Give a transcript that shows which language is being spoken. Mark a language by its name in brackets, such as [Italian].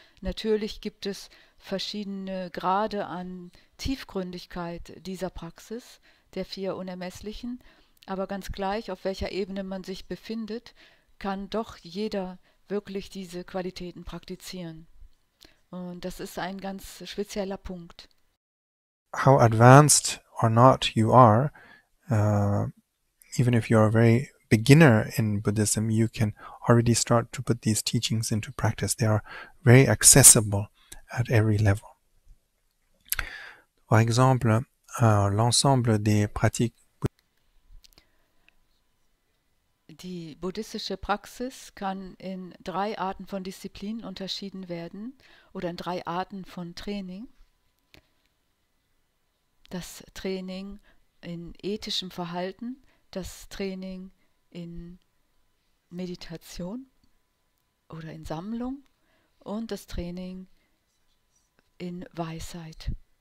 [German] Natürlich gibt es verschiedene Grade an Tiefgründigkeit dieser Praxis, der vier Unermesslichen, aber ganz gleich, auf welcher Ebene man sich befindet, kann doch jeder wirklich diese Qualitäten praktizieren. Und das ist ein ganz spezieller Punkt. [English] How advanced or not you are, even if you are a very beginner in Buddhism, you can already start to put these teachings into practice. They are very accessible at every level. [French] Par exemple, l'ensemble des pratiques. [German] Die buddhistische Praxis kann in drei Arten von Disziplinen unterschieden werden oder in drei Arten von Training. Das Training in ethischem Verhalten, das Training in Meditation oder in Sammlung und das Training in Weisheit.